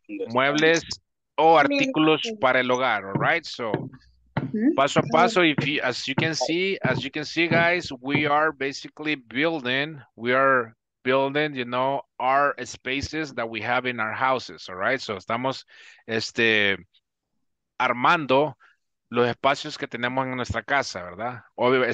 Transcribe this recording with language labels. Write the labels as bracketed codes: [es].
[es] Muebles o artículos para el hogar, [en] all right? So, [es] paso a paso, [en] as you can see, guys, we are building, you know, our spaces that we have in our houses, all right? [es] So, estamos, armando los espacios que tenemos en nuestra casa, ¿verdad?